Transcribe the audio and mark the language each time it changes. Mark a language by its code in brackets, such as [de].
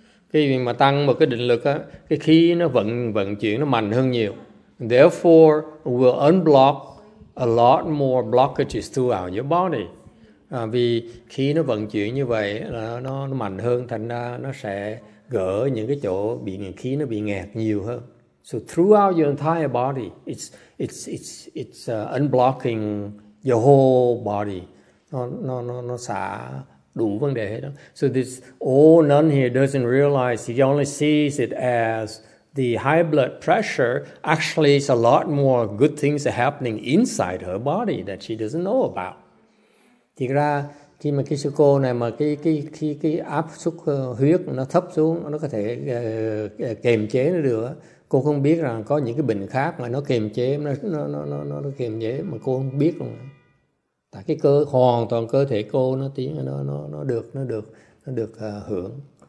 [vi] Khi mà tăng một cái định lực á, cái khí nó vận chuyển nó mạnh hơn nhiều. [en] Therefore, will unblock a lot more blockages throughout your body. [vi] Vì khí nó vận chuyển như vậy là nó mạnh hơn, thành ra nó sẽ gỡ những cái chỗ bị khí nó bị nghẹt nhiều hơn. [en] So throughout your entire body, it's unblocking your whole body. [vi] Nó xả đủ vấn đề hết đó. [en] So this old nun here doesn't realize, he only sees it as the high blood pressure. Actually, it's a lot more good things are happening inside her body that she doesn't know about. [vi] Thì ra khi mà cái sư cô này mà cái áp suất huyết nó thấp xuống, nó có thể kiềm chế nó được. Cô không biết rằng có những cái bệnh khác mà nó kiềm chế, nó kiềm chế mà cô không biết luôn. Cái cơ hoàn toàn cơ thể cô nó tiếng nó được hưởng.